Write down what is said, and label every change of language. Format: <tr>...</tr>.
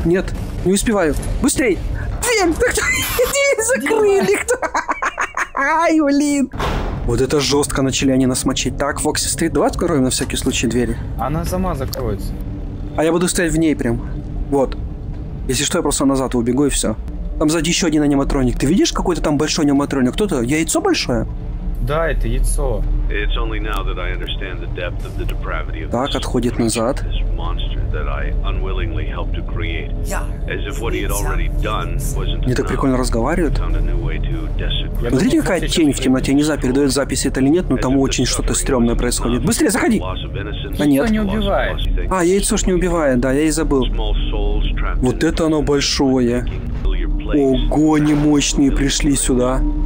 <ru>Нет, не успеваю. Быстрей. Дверь. Так, иди, закрыли. Ай, блин. Вот это жестко начали они нас мочить. Так, Фокси, стоит. Давай откроем на всякий случай двери. Она сама закроется. А я буду стоять в ней прям. Вот. Если что, я просто назад убегу и все. Там сзади еще один аниматроник. Ты видишь какой-то там большой аниматроник? Кто-то? Яйцо большое? Да, это яйцо.</ru> <en>It's only now that I understand the depth of the depravity of this.</en> <ru>Так, отходит назад.</ru> <en>This monster that I unwillingly helped to create. As if what he had already done wasn't.</en> <ru>Они так прикольно разговаривают. Смотрите, какая тень в темноте. Не знаю, передает запись это или нет, но там очень что-то стрёмное происходит. Быстрее, заходи! А нет. А, яйцо ж не убивает, да, я и забыл. Вот это оно большое. Ого, они мощные пришли сюда.</ru>